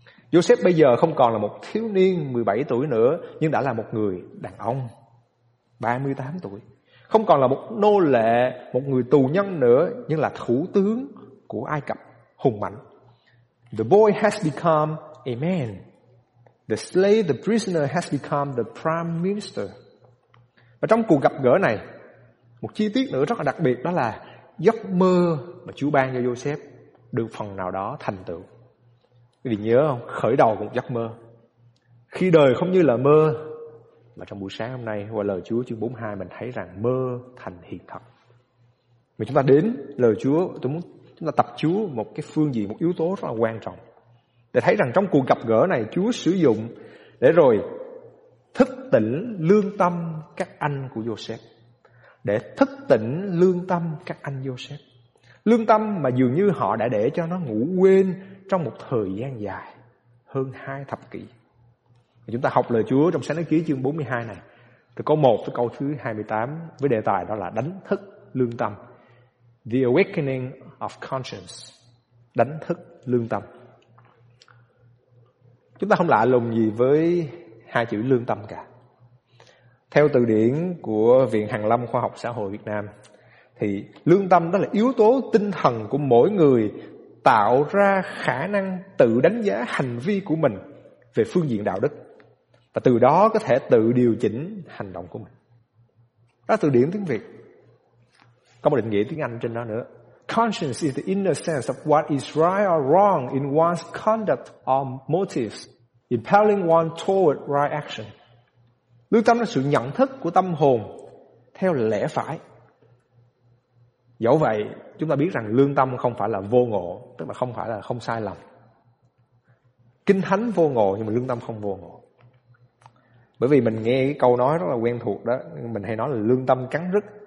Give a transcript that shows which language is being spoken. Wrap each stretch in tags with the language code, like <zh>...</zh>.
<vi>Joseph bây giờ không còn là một thiếu niên 17 tuổi nữa, nhưng đã là một người đàn ông 38 tuổi. Không còn là một nô lệ, một người tù nhân nữa, nhưng là thủ tướng của Ai Cập hùng mạnh.</vi> <en>The boy has become a man. The slave, the prisoner has become the prime minister.</en> <vi>Và trong cuộc gặp gỡ này, một chi tiết nữa rất là đặc biệt, đó là giấc mơ mà Chúa ban cho Joseph được phần nào đó thành tựu. Quý vị nhớ không? Khởi đầu của một giấc mơ. Khi đời không như là mơ, mà trong buổi sáng hôm nay qua lời Chúa chương 42 mình thấy rằng mơ thành hiện thực. Mà chúng ta đến lời Chúa, tôi muốn chúng ta tập Chúa một cái phương diện, một yếu tố rất là quan trọng, để thấy rằng trong cuộc gặp gỡ này Chúa sử dụng để rồi thức tỉnh lương tâm các anh của Joseph. Để thức tỉnh lương tâm các anh Joseph. Lương tâm mà dường như họ đã để cho nó ngủ quên trong một thời gian dài, hơn 2 thập kỷ. Chúng ta học lời Chúa trong Sáng Thế Ký chương 42 này, từ câu 1 tới câu thứ 28, với đề tài đó là đánh thức lương tâm.</vi> <en>The awakening of conscience.</en> <vi>Đánh thức lương tâm. Chúng ta không lạ lùng gì với hai chữ lương tâm cả. Theo từ điển của Viện Hàn Lâm Khoa học Xã hội Việt Nam, thì lương tâm đó là yếu tố tinh thần của mỗi người tạo ra khả năng tự đánh giá hành vi của mình về phương diện đạo đức, và từ đó có thể tự điều chỉnh hành động của mình. Đó là từ điển tiếng Việt. Có một định nghĩa tiếng Anh trên đó nữa.</vi> <en>Conscience is the inner sense of what is right or wrong in one's conduct or motives, impelling one toward right action.</en> <vi>Lương tâm là sự nhận thức của tâm hồn theo lẽ phải. Dẫu vậy, chúng ta biết rằng lương tâm không phải là vô ngộ, tức là không phải là không sai lầm. Kinh Thánh vô ngộ, nhưng mà lương tâm không vô ngộ. Bởi vì mình nghe cái câu nói rất là quen thuộc đó, mình hay nói là lương tâm cắn rứt.</vi>